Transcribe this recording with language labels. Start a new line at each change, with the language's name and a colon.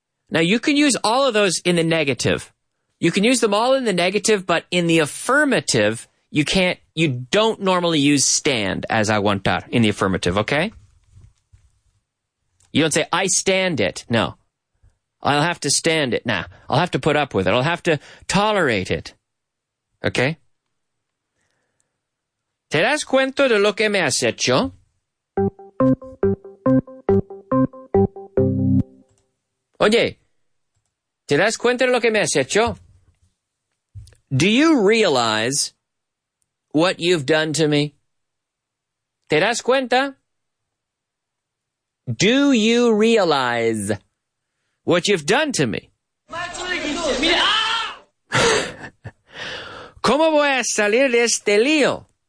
English: Now, you can use all of those in the negative. You can use them all in the negative, but in the affirmative, you don't normally use stand as aguantar in the affirmative, okay? You don't say, I stand it. No, I'll have to stand it now. Nah, I'll have to put up with it. I'll have to tolerate it. Okay?
Spanish: ¿Te das cuenta de lo que me has hecho? Oye, ¿te das cuenta de lo que me has hecho?
English: Do you realize what you've done to me?
Spanish: ¿Te das cuenta?
English: Do you realize what you've done to me?
Spanish: ¿Cómo voy a salir de este lío?